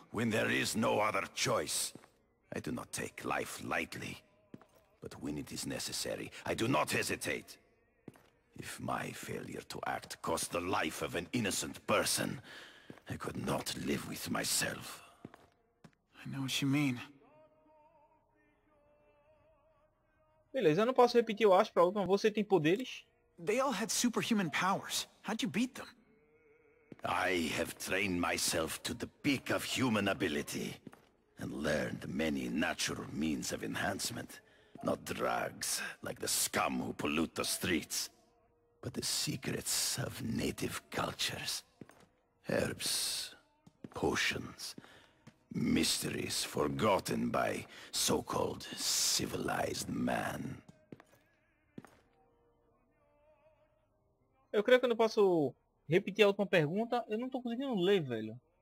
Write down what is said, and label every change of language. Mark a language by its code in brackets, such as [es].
[en] When there is no other choice. I do not take life lightly. But when it is necessary, I do not hesitate. If my failure to act cost the life of an innocent person, I could not live with myself. I know what you mean. [pt] Beleza, eu não posso repetir o Ash pra outra, mas você tem poderes? [en] They all had superhuman powers. How'd you beat them? I have trained myself to the peak of human ability and learned many natural means of enhancement, not drugs like the scum who pollute the streets, but the secrets of native cultures, herbs, potions, mysteries forgotten by so-called civilized man. [pt] Eu creio que eu não posso repetir a última pergunta, eu não tô conseguindo ler, velho.